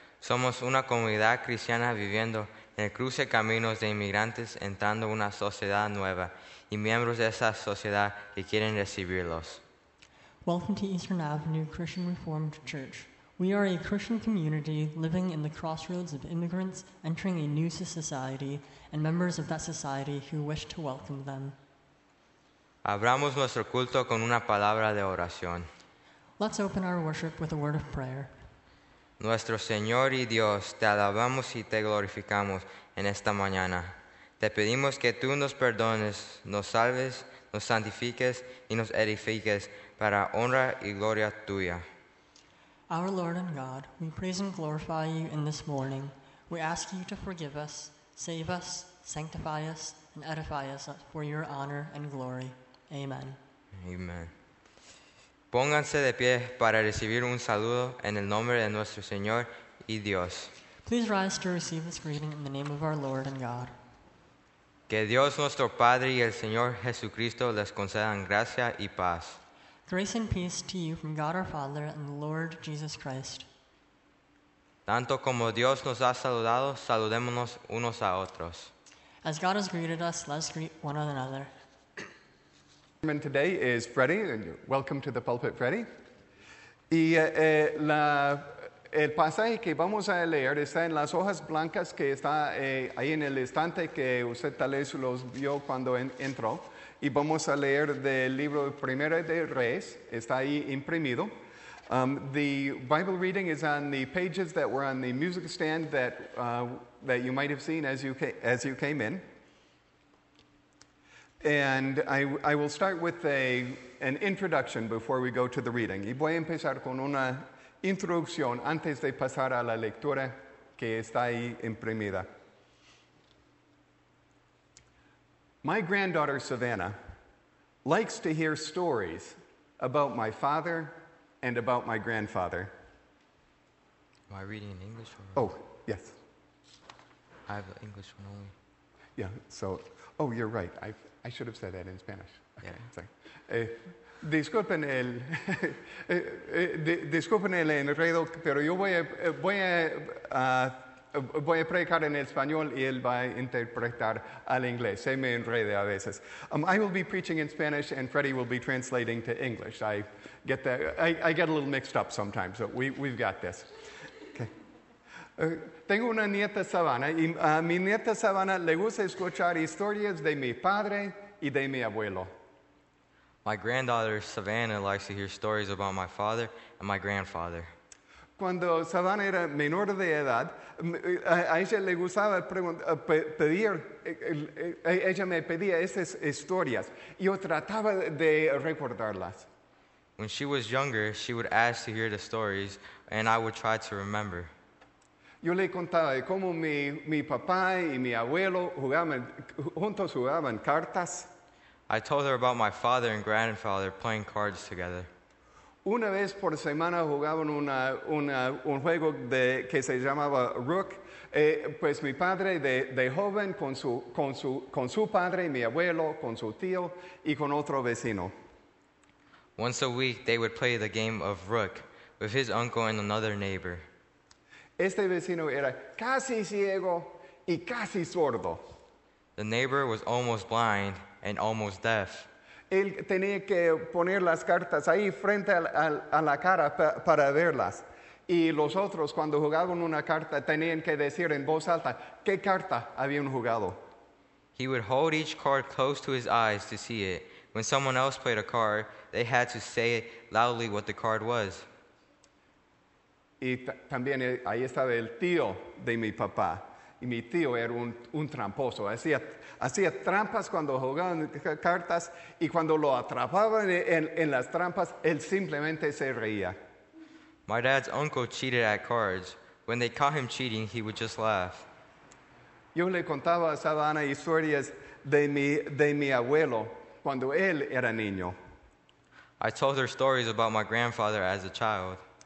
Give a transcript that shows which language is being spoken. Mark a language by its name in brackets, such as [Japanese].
[Spanish] Somos una comunidad cristiana viviendo en el cruce de caminos de inmigrantes entrando a una sociedad nueva y miembros de esa sociedad que quieren recibirlos. [English] Welcome to Eastern Avenue Christian Reformed Church. We are a Christian community living in the crossroads of immigrants entering a new society and members of that society who wish to welcome them. [Spanish] Abramos nuestro culto con una palabra de oración. [English] Let's open our worship with a word of prayer. [Spanish] Nuestro Señor y Dios, te alabamos y te glorificamos en esta mañana. Te pedimos que tú nos perdones, nos salves, nos santifiques y nos edifiques para honra y gloria tuya. [English] Our Lord and God, we praise and glorify you in this morning. We ask you to forgive us, save us, sanctify us, and edify us for your honor and glory. Amen. Amen. [Spanish] Pónganse de pie para recibir un saludo en el nombre de nuestro Señor y Dios. [English] Please rise to receive this greeting in the name of our Lord and God. [Spanish] Que Dios nuestro Padre y el Señor Jesucristo les concedan gracia y paz. [English] Grace and peace to you from God our Father and the Lord Jesus Christ. [Spanish] Tanto como Dios nos ha saludado, saludémonos unos a otros. [English] As God has greeted us, let's greet one another. Today is Freddy, and welcome to the pulpit, Freddy. [Spanish] Y el pasaje que vamos a leer está en las hojas blancas que está ahí en el estante que usted tal vez los vio cuando entró. Y vamos a leer del libro Primera de Reyes, está ahí imprimido. [English] The Bible reading is on the pages that were on the music stand that you might have seen as you came in. And I will start with an introduction before we go to the reading. [Spanish] Y voy a empezar con una introducción antes de pasar a la lectura que está ahí imprimida. [English] My granddaughter Savannah likes to hear stories about my father and about my grandfather. Am I reading in English? Or... Oh, yes. I have an English one only. Yeah, so, oh, you're right. I should have said that in Spanish. Okay, yeah. [Spanish] Disculpen el enredo, pero yo voy a predicar en español y él va a interpretar al inglés. Se me enrede a veces. [English] I will be preaching in Spanish and Freddie will be translating to English. I get a little mixed up sometimes, but we've got this. [Spanish] Tengo una nieta Savannah y a mi nieta Savannah le gusta escuchar historias de mi padre y de mi abuelo. [English] My granddaughter Savannah likes to hear stories about my father and my grandfather. [Spanish] Cuando Savannah era menor de edad, a ella le gustaba pedir, ella me pedía esas historias y yo trataba de recordarlas. [English] When she was younger, she would ask to hear the stories and I would try to remember. [Spanish] Yo le contaba de cómo mi papá y mi abuelo juntos jugaban cartas. [English] I told her about my father and grandfather playing cards together. [Spanish] Una vez por semana jugaban un juego que se llamaba Rook. Pues mi padre de joven con su padre, mi abuelo, con su tío y con otro vecino. [English] Once a week they would play the game of Rook with his uncle and another neighbor. [Spanish] Este vecino era casi ciego y casi sordo. [English] The neighbor was almost blind and almost deaf. [Spanish] Él tenía que poner las cartas ahí frente a la cara para verlas. Y los otros, cuando jugaban una carta, tenían que decir en voz alta qué carta habían jugado. [English] He would hold each card close to his eyes to see it. When someone else played a card, they had to say loudly what the card was. [Spanish] Y también ahí estaba el tío de mi papá. y mi tío era un tramposo. Hacía trampas cuando jugaban cartas y cuando lo atrapaban en las trampas, él simplemente se reía. [English] My dad's uncle cheated at cards. When they caught him cheating, he would just laugh. [Spanish] Yo le contaba a Savannah historias de mi abuelo cuando él era niño. [English] I told her stories about my grandfather as a child.